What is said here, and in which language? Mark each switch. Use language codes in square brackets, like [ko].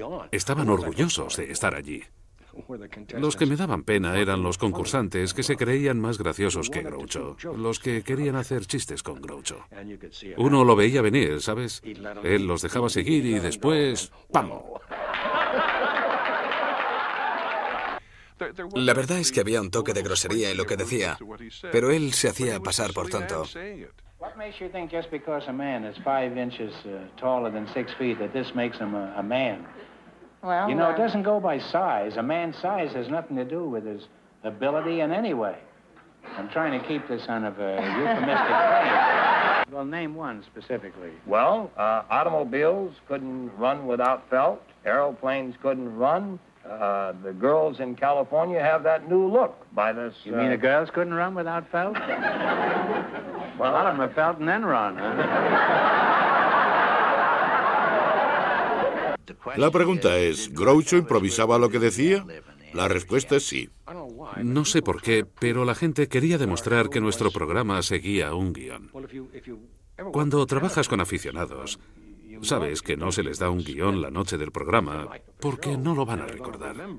[es] Estaban orgullosos de estar allí. Los que me daban pena eran los concursantes que se creían más graciosos que Groucho, los que querían hacer chistes con Groucho. Uno lo veía venir, ¿sabes? Él los dejaba seguir y después... ¡pam! La verdad es que había un toque de grosería en lo que decía, pero él se hacía pasar por tonto. [en] What makes you think just because a man is 5 inches taller than 6 feet that this makes him a man? Well, you know, it doesn't go by size. A man's size has nothing to do with his ability in any way. I'm trying to keep this on a euphemistic plane. Well, name one specifically. Well, automobiles couldn't run without felt. Aeroplanes couldn't run. The girls in California have that new look by this... You mean the girls couldn't run without felt? Well, a lot of them are felt and then run, huh? [es] La pregunta es, ¿Groucho improvisaba lo que decía? La respuesta es sí. No sé por qué, pero la gente quería demostrar que nuestro programa seguía un guión. Cuando trabajas con aficionados, sabes que no se les da un guión la noche del programa porque no lo van a recordar.